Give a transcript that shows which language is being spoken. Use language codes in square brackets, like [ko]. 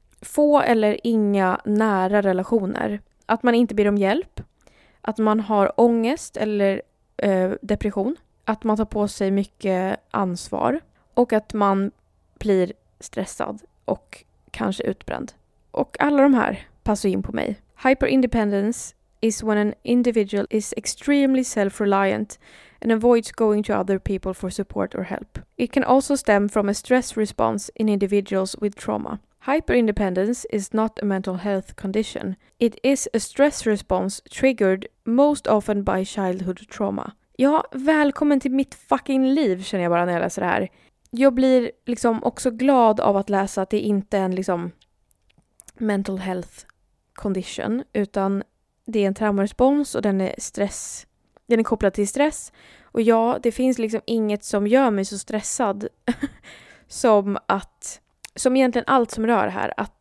[sv] Få eller inga nära relationer. Att man inte ber om hjälp. Att man har ångest eller depression. Att man tar på sig mycket ansvar. Och att man blir stressad och kanske utbränd. Och alla de här passar in på mig. [en] Hyperindependence is when an individual is extremely self-reliant and avoids going to other people for support or help. It can also stem from a stress response in individuals with trauma. Hyperindependence is not a mental health condition. It is a stress response triggered most often by childhood trauma. [sv] Ja, välkommen till mitt fucking liv, känner jag bara när jag läser det här. Jag blir liksom också glad av att läsa att det inte är en liksom [en] mental health condition, [sv] utan det är en traumarespons och den är stress. Den är kopplad till stress. Och ja, det finns liksom inget som gör mig så stressad som egentligen allt som rör här.